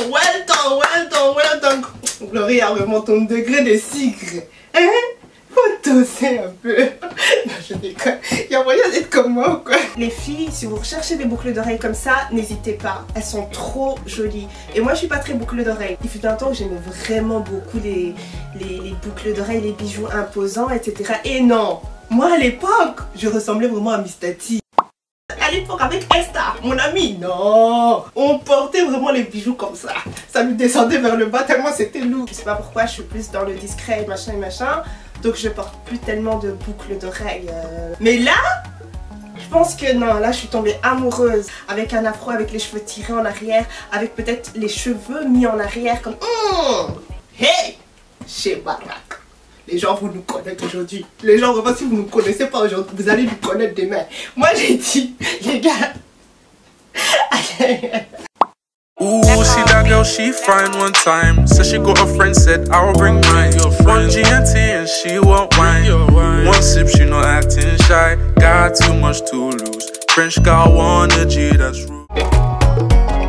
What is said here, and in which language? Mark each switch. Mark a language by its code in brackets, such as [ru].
[en] Well done, well done, well done. [fr] Gloria, vraiment ton degré de sucre. Hein? Faut tosser un peu. Non, je déconne. Y'a moyen d'être comme moi ou quoi? Les filles, si vous recherchez des boucles d'oreilles comme ça, n'hésitez pas. Elles sont trop jolies. Et moi, je suis pas très boucle d'oreilles. Il fut un temps que j'aimais vraiment beaucoup les boucles d'oreilles, les bijoux imposants, etc. Et non! Moi, à l'époque, je ressemblais vraiment à Miss Tati. À l'époque, avec Esther, mon amie, non! On portait vraiment les bijoux comme ça. Ça nous descendait vers le bas tellement c'était lourd. Je sais pas pourquoi, je suis plus dans le discret et machin et machin. Donc je porte plus tellement de boucles d'oreilles. Mais là, je pense que non, là je suis tombée amoureuse. Avec un afro, avec les cheveux tirés en arrière, avec peut-être les cheveux mis en arrière comme... Hey! Chez Barack. Les gens vont nous connaître aujourd'hui. Les gens, vraiment, si vous ne nous connaissez pas aujourd'hui, vous allez nous connaître demain. Moi, j'ai dit, les gars. [en] Ooh, she that girl, she fine one time. So she got a friend, said, I'll bring mine. One G&T and she want wine. One sip, she not acting shy. Got too much to lose. French girl wanna G, that's rude.